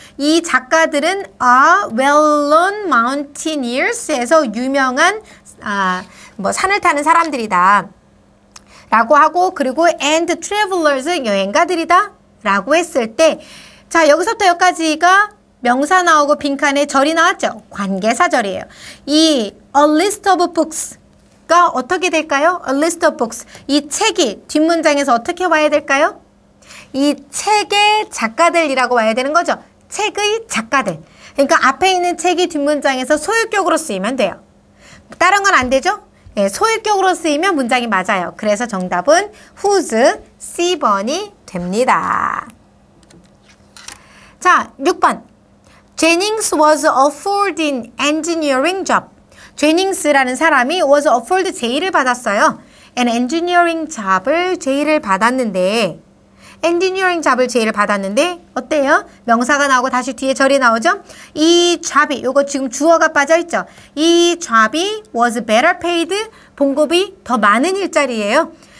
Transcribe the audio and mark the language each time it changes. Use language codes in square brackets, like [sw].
[ko] 이 작가들은 [en] a well-known mountaineers [ko] 해서 유명한 산을 타는 사람들이다 라고 하고 그리고 [en] and travelers [ko] 여행가들이다 라고 했을 때 자 여기서부터 여기까지가 명사 나오고 빈칸에 절이 나왔죠. 관계사 절이에요. 이 [en] a list of books [ko] 어떻게 될까요? [en] A list of books. [ko] 이 책이 뒷문장에서 어떻게 와야 될까요? 이 책의 작가들이라고 와야 되는 거죠. 책의 작가들. 그러니까 앞에 있는 책이 뒷문장에서 소유격으로 쓰이면 돼요. 다른 건 안 되죠? 네, 소유격으로 쓰이면 문장이 맞아요. 그래서 정답은 whose C번이 됩니다. 자, 6번. [en] Jennings was offered an engineering job. [ko] 제닝스라는 사람이 [en] was offered [ko] J를 받았어요. [en] An engineering job [ko] 을 J를 받았는데 [en] engineering job [ko] 을 J를 받았는데 어때요? 명사가 나오고 다시 뒤에 절이 나오죠? 이 job이 요거 지금 주어가 빠져있죠? 이 job이 [en] was better paid [ko] 봉급이 더 많은 일자리예요.